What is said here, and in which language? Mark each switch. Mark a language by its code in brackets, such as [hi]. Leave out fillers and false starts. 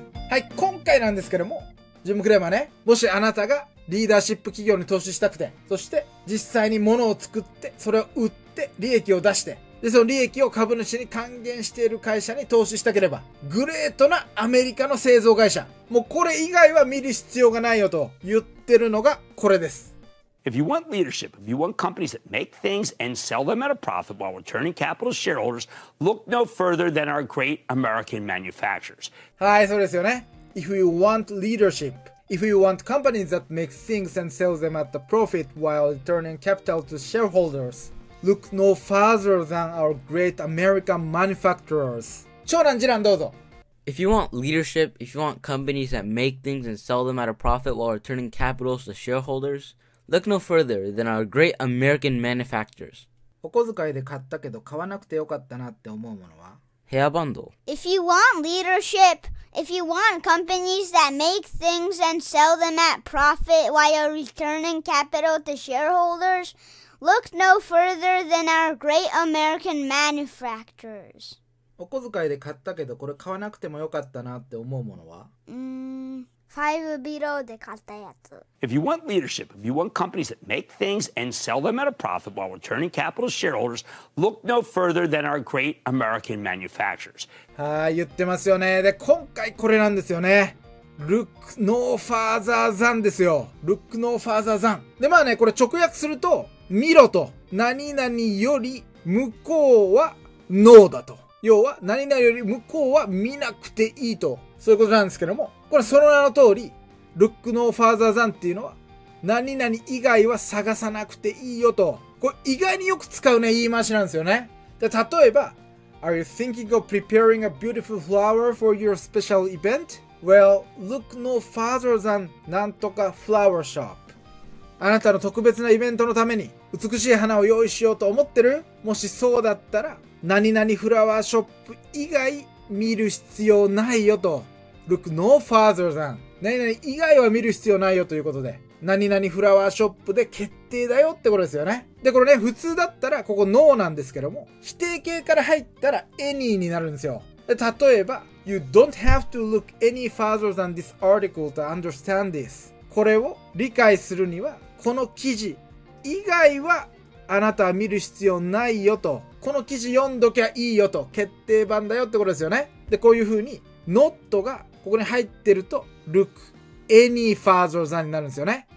[ja] はい、今回なんですけども、ジムクレイマーね、もしあなたがリーダーシップ企業に投資したくて、そして実際に物を作ってそれを売って利益を出して、でその利益を株主に還元している会社に投資したければ、グレートなアメリカの製造会社、もうこれ以外は見る必要がないよと言ってるのがこれです。 [en] If you want leadership, if you want companies that make things and sell them at a profit while returning capital to shareholders, look no further than our great American manufacturers. [ja] はい、そうですよね。 [en] If you want leadership, if you want companies that make things and sell them at a profit while returning capital to shareholders, look no further than our great American manufacturers. [ja] 長男、次男、どうぞ。 [en] If you want leadership, if you want companies that make things and sell them at a profit while returning capital to shareholders,Look no further than our great American manufacturers. [ja] お小遣いで買ったけど買わなくてよかったなって思うものは？ヘアバンド。 [en] If you want leadership, if you want companies that make things and sell them at profit while returning capital to shareholders, look no further than our great American manufacturers. [ja] お小遣いで買ったけどこれ買わなくてもよかったなって思うものは？ Five Below で買ったやつ。 [en] If you want leadership, if you want companies that make things and sell them at a profit while returning capital to shareholders, look no further than our great American manufacturers. [ja] はい、言ってますよね。で、今回これなんですよね。 Look no further than ですよ。Look no further than。で、まあね、これ直訳すると、見ろと、何々より向こうはノーだと、要は何々より向こうは見なくていいと、そういうことなんですけども、これはその名の通り Look no further than っていうのは何々以外は探さなくていいよと、これ意外によく使うね言い回しなんですよね。で例えば [en] Are you thinking of preparing a beautiful flower for your special event? Well, look no further than [ja] なんとか [en] flower shop。 [ja] あなたの特別なイベントのために美しい花を用意しようと思ってる？もしそうだったら何々フラワーショップ以外見る必要ないよと。 Look no further than 何々以外は見る必要ないよということで、何々フラワーショップで決定だよってことですよね。でこれね、普通だったらここ NO なんですけども、否定形から入ったら ANY になるんですよ。で例えば [en] You don't have to look any further than this article to understand this。 [ja] これを理解するにはこの記事以外はあなたは見る必要ないよと、この記事読んどきゃいいよと、決定版だよってことですよね。でこういう風に NOT がここに入ってると LOOKAny further than になるんですよね。